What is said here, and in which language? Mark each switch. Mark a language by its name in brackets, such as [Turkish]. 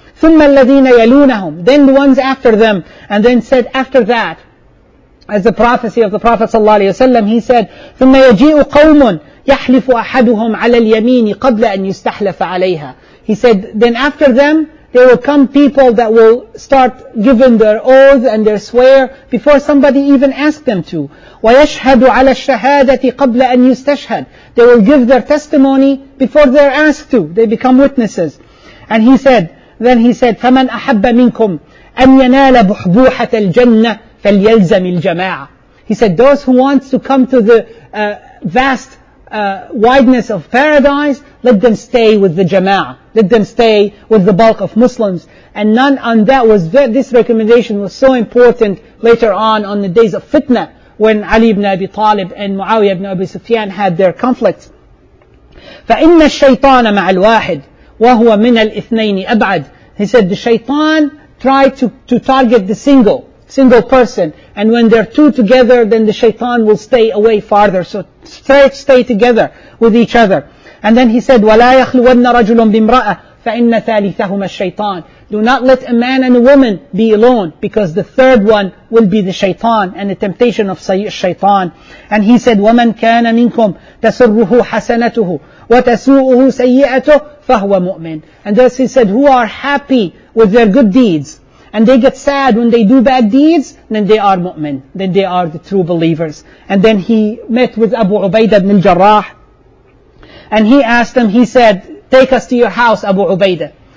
[Arabic] ثم الذين يلونهم, [English] then the ones after them. And then said, after that, as the prophecy of the Prophet sallallahu alayhi wa sallam, he said, [Arabic] ثم يجيء قوم يحلف أحدهم على اليمين قبل أن يستحلف عليها. [English] He said, then after them, there will come people that will start giving their oath and their swear before somebody even asked them to. [Arabic] وَيَشْهَدُ عَلَى الشَّهَادَةِ قَبْلَ أَنْ يُسْتَشْهَدُ. [English] They will give their testimony before they're asked to. They become witnesses. And he said, then he said, [Arabic] فَمَنْ أَحَبَّ مِنْكُمْ أَنْ يَنَالَ بُحْبُوحَةَ الْجَنَّةِ فَلْيَلْزَمِ الْجَمَاعَةِ. [English] He said, those who want to come to the vast wideness of paradise, let them stay with the jama'ah. Let them stay with the bulk of Muslims. And none on that was, this recommendation was so important later on the days of fitna, when Ali ibn Abi Talib and Muawiyah ibn Abi Sufyan had their conflicts. [Arabic] فَإِنَّ الشَّيْطَانَ مَعَ الْوَاحِدِ وَهُوَ مِنَ الْإِثْنَيْنِ أَبْعَدِ. [English] He said, the shaitan tried to target the single person. And when they're two together, then the shaitan will stay away farther. So stay together with each other. And then he said, [Arabic] وَلَا يَخْلُوَنَّ رَجُلٌ بِمْرَأَةٍ فَإِنَّ ثَالِثَهُمَ الشَّيْطَانِ. [English] Do not let a man and a woman be alone, because the third one will be the shaitan and the temptation of shaitan. And he said, [Arabic] وَمَنْ كَانَ مِنْكُمْ تَسُرُّهُ حَسَنَتُهُ وَتَسُوءُهُ سَيِّئَتُهُ فَهُوَ مُؤْمِنٌ. [English] And thus he said, who are happy with their good deeds, and they get sad when they do bad deeds, then they are mu'min, then they are the true believers. And then he met with Abu Ubaidah ibn al-Jarrah, and he asked him, he said, take us to your house, Abu Ubaidah.